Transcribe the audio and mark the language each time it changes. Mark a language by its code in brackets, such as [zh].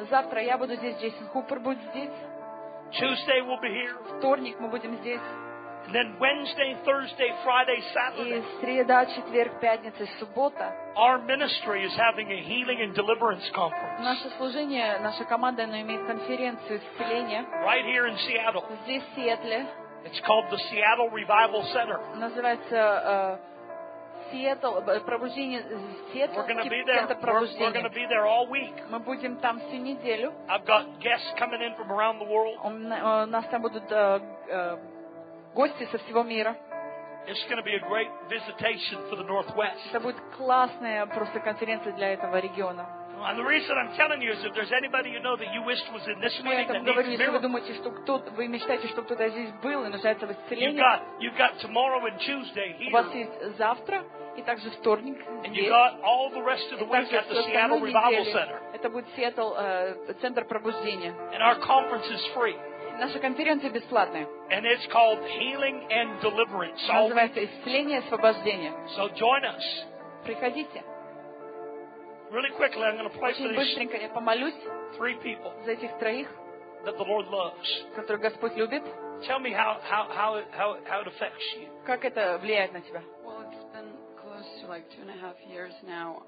[ru] Завтра я буду здесь, Джейсон Хупер будет здесь. [en] Tuesday we'll be here. [ru] Вторник мы будем здесь. [en] And then Wednesday, Thursday, Friday, Saturday. [ru] И среда, четверг, пятница, суббота. [en] Our ministry is having a healing and deliverance conference. [ru] Наше служение, наша команда, она имеет конференцию исцеления. [en] Right here in Seattle. [ru] Здесь, в Сиэтле. [en] It's called the Seattle Revival Center. [ru] Называется пробуждение Сиэтла, это пробуждение. [en] We're going to be there all week. [ru] Мы будем там всю неделю. [en] I've got guests coming in from around the world. [ru] У нас там будут гости со всего мира. [en] It's going to be a great visitation for the Northwest. [ru] Это будет классная просто конференция для этого региона. [en] And the reason I'm telling you is if there's anybody you know that you wish was in this meeting that needs miracles. [ru] Вы думаете, что кто-то, вы мечтаете, чтобы кто-то здесь был и нуждается в исцелении? [en] You've got tomorrow and Tuesday here. [ru] У вас есть завтра и также вторник здесь. [en] And you got all the rest of the week at the Seattle Revival Center. [ru] Это будет Seattle центр пробуждения. [en] And our conference is free. [ru] Наша конференция бесплатная. [en] And it's called Healing and Deliverance. [ru] Называется исцеление и освобождение. [en] So join us. [ru] Приходите. [en] Really quickly, I'm going to pray for these. [ru] Быстренько я помолюсь. [en] Three people. [ru] За этих троих. [en] That the Lord loves. [ru] Которых Господь любит. [en] Tell me how it affects you. [ru] Как это влияет на тебя? [en] Well, it's been close to like 2.5 years now.